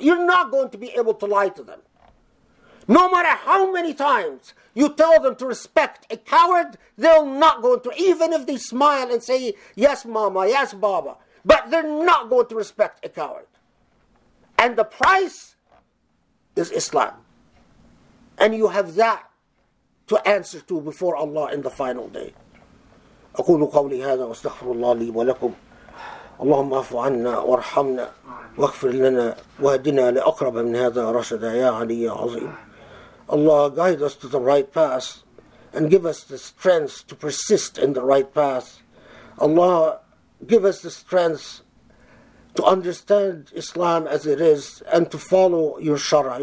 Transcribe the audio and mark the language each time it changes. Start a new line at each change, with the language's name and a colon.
English: You're not going to be able to lie to them. No matter how many times you tell them to respect a coward, they're not going to, even if they smile and say, yes, mama, yes, baba, but they're not going to respect a coward. And the price is Islam. And you have that to answer to before Allah in the final day.
Arabic: أقول قولي هذا واستغفر الله لي ولكم اللهم اعف عنا وارحمنا واغفر لنا واهدنا لأقرب من هذا رشدا يا علي عظيم.
English: Allah, guide us to the right path and give us the strength to persist in the right path. Allah, give us the strength to understand Islam as it is and to follow your shara.